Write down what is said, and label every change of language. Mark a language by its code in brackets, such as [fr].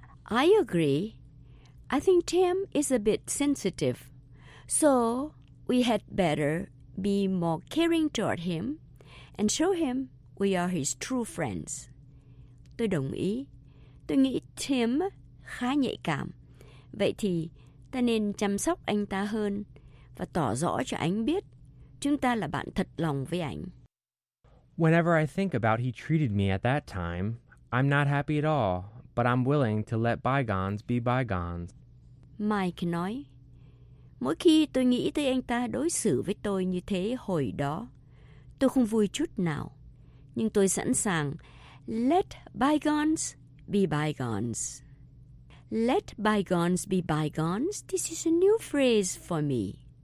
[en] I agree. I think Tim is a bit sensitive, so we had better be more caring toward him and show him we are his true friends. [vi] Tôi đồng ý. Tôi nghĩ Tim khá nhạy cảm. Vậy thì ta nên chăm sóc anh ta hơn và tỏ rõ cho anh biết chúng ta là bạn thật lòng với anh. [en] Whenever I think about he treated me at that time, I'm not happy at all, but I'm willing to let bygones be bygones. [vi] Mike nói, mỗi khi tôi nghĩ tới anh ta đối xử với tôi như thế hồi đó, tôi không vui chút nào, nhưng tôi sẵn sàng [en] let bygones be bygones. Let bygones be bygones. This is a new phrase for me.